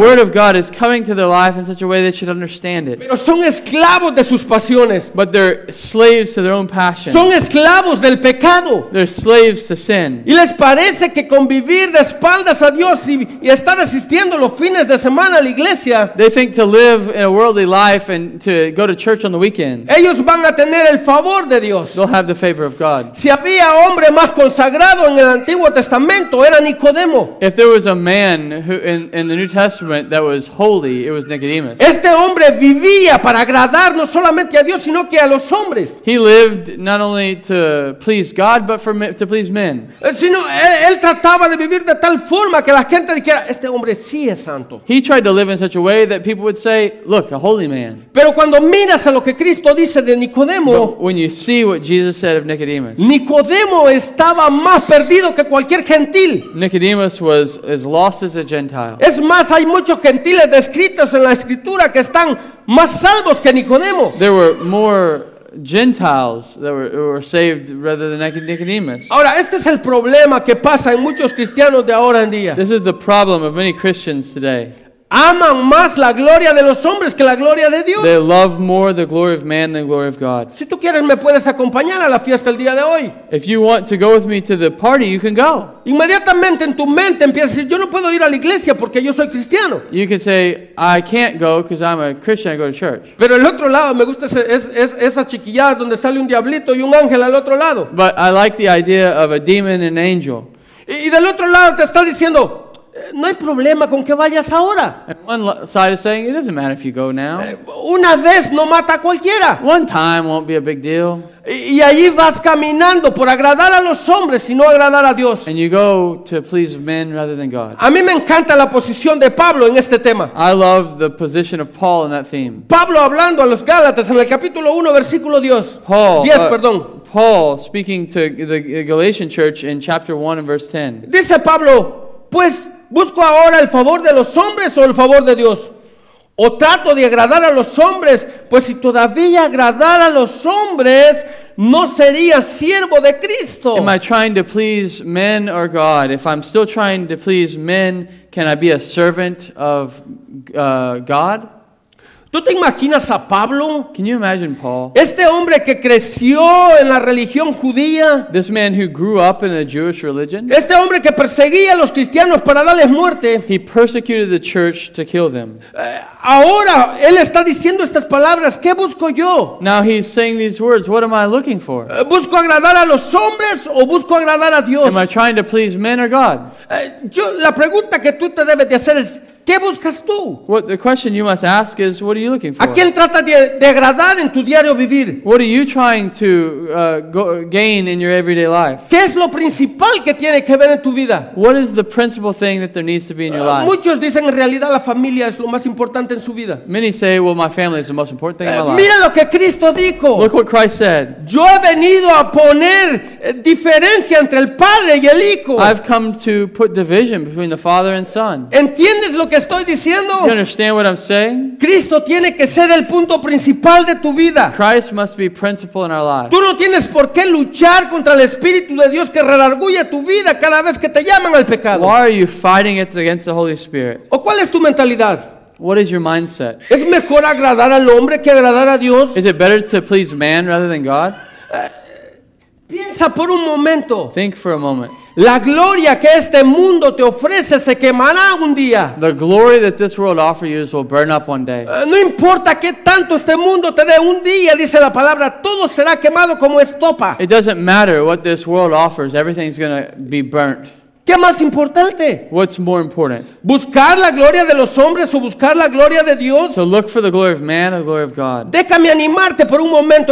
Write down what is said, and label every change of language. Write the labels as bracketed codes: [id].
[en] The word of God is coming to their life in such a way they should understand it. [es] Pero son esclavos de sus pasiones. [en] But they're slaves to their own passions. [es] Son esclavos del pecado. [en] They're slaves to sin. [es] Y les parece que convivir vivir de espaldas a Dios y estar asistiendo los fines de semana a la iglesia. [en] They think to live in a worldly life and to go to church on the weekends. [es] Ellos van a tener el favor de Dios. [en] They'll have the favor of God. [es] Si había hombre más consagrado en el Antiguo Testamento, era Nicodemo. [en] If there was a man who in the New Testament that was holy, it was Nicodemus. [es] Este hombre vivía para agradar no solamente a Dios, sino que a los hombres. [en] He lived not only to please God, but to please men. [es] Sino él trataba de vivir de tal forma que la gente dijera este hombre sí es santo. [en] He tried to live in such a way that people would say, look, a holy man. [es] Pero cuando miras a lo que Cristo dice de Nicodemo, [en] but when you see what Jesus said of Nicodemus, [es] Nicodemo estaba más perdido que cualquier gentil. [en] Nicodemus was as lost as a Gentile. [es] Es más, hay muchos gentiles descritos en la escritura que están más salvos que Nicodemo. [en] There were more Gentiles that were saved rather than Nicodemus. [es] Ahora, este es el problema que pasa en muchos cristianos de ahora en día. [en] This is the problem of many Christians today. [es] Aman más la gloria de los hombres que la gloria de Dios. [en] They love more the glory of man than the glory of God. [es] Si tú quieres, me puedes acompañar a la fiesta el día de hoy. [en] If you want to go with me to the party, you can go. [es] Inmediatamente en tu mente empiezas a decir, yo no puedo ir a la iglesia porque yo soy cristiano. [en] You can say, I can't go because I'm a Christian, I go to church. [es] Pero el otro lado, me gusta esa chiquillada donde sale un diablito y un ángel al otro lado. [en] But I like the idea of a demon and angel. [es] Y del otro lado te está diciendo, no hay problema con que vayas ahora. [en] And one side is saying, it doesn't matter if you go now. [es] Una vez no mata a cualquiera. [en] One time won't be a big deal. [es] Y allí vas caminando por agradar a los hombres y no agradar a Dios. [en] And you go to please men rather than God. [es] A mí me encanta la posición de Pablo en este tema. [en] I love the position of Paul in that theme. [es] Pablo hablando a los Gálatas en el capítulo 1, versículo 10. [en] Paul speaking to the Galatian church in chapter 1 and verse 10. [es] Dice Pablo, pues, ¿busco ahora el favor de los hombres o el favor de Dios? ¿O trato de agradar a los hombres? Pues si todavía agradara a los hombres, no sería siervo de Cristo. [en] Am I trying to please men or God? If I'm still trying to please men, can I be a servant of God? [es] ¿Tú te imaginas a Pablo? [en] Can you imagine Paul? [es] Este hombre que creció en la religión judía. [en] This man who grew up in a Jewish religion. [es] Este hombre que perseguía a los cristianos para darles muerte. [en] He persecuted the church to kill them. [es] Ahora, él está diciendo estas palabras. ¿Qué busco yo? [en] Now he's saying these words. What am I looking for? [es] ¿Busco agradar a los hombres o busco agradar a Dios? [en] Am I trying to please men or God? [es] La pregunta que tú te debes de hacer es, ¿qué buscas tú? [en] What the question you must ask is, what are you looking for? [es] ¿A quién trata de agradar en tu diario vivir? [en] What are you trying to gain in your everyday life? [es] ¿Qué es lo principal que tiene que ver en tu vida? [en] What is the principal thing that there needs to be in your life? [es] Muchos dicen en realidad la familia es lo más importante en su vida. [en] Many say, well, my family is the most important thing in my life. [es] Mira lo que Cristo dijo. [en] Look what Christ said. [es] Yo he venido a poner diferencia entre el padre y el hijo. [en] I've come to put division between the father and son. [es] ¿Entiendes lo que estoy diciendo? [en] You understand what I'm saying? [es] Cristo tiene que ser el punto principal de tu vida. [en] Christ must be principal in our life. [es] Tú no tienes por qué luchar contra el Espíritu de Dios que redarguye tu vida cada vez que te llaman al pecado. [en] Why are you fighting it against the Holy Spirit? [es] ¿O cuál es tu mentalidad? [en] What is your mindset? [es] ¿Es mejor agradar al hombre que agradar a Dios? [en] Is it better to please man rather than God? [es] Piensa por un momento. [en] Think for a moment. [es] La gloria que este mundo te ofrece se quemará un día. [en] The glory that this world offers you will burn up one day. [es] No importa qué tanto este mundo te dé un día, dice la palabra, todo será quemado como estopa. [en] It doesn't matter what this world offers, everything's going to be burnt. [es] ¿Qué más importante? [en] What's more important? [es] ¿Buscar la gloria de los hombres o buscar la gloria de Dios? [en] To look for the glory of man or the glory of God. [es] Déjame animarte por un momento